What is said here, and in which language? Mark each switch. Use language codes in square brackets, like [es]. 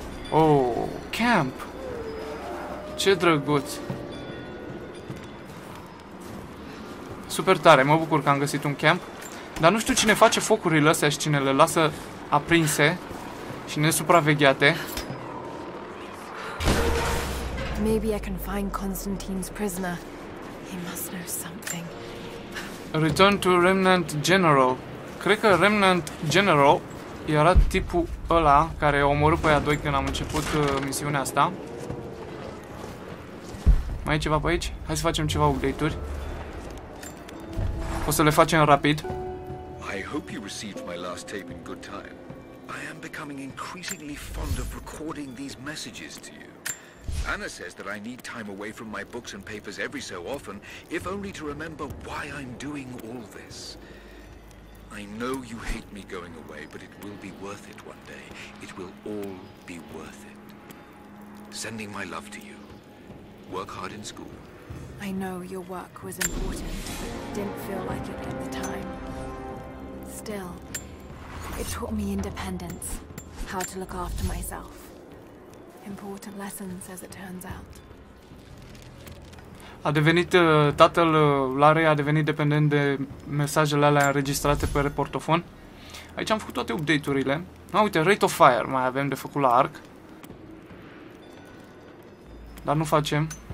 [ro] Oh, camp! Ce drăguț! Super tare, mă bucur că am găsit un camp. Dar nu știu cine face focurile astea și cine le lasă aprinse și nesupravegheate. [en] Maybe I can find Constantine's prisoner. He must know something. Return to Remnant General. [ro] Cred că Remnant General era tipul ăla care a omorât pe aia doi când am început misiunea asta. Mai e ceva pe aici? Hai să facem ceva update-uri. O să le facem rapid. [en] I hope you received my last tape in good time. I am becoming increasingly fond of recording these messages to you. Anna says that I need time away from my books and papers every so often, if only to remember why I'm doing all this. I know you hate me going away, but it will be worth it one day. It will all be worth it. Sending my love to you. Work hard in school. I know your work was important. Didn't feel like it at the time. Still, it taught me independence, how to look after myself. Important lessons, as it turns out. [ro] A devenit, tatăl Larry a devenit dependent de mesajele alea înregistrate pe reportofon. Aici am făcut toate update-urile. Ah, uite, Rate of Fire mai avem de făcut la arc. Dar nu facem.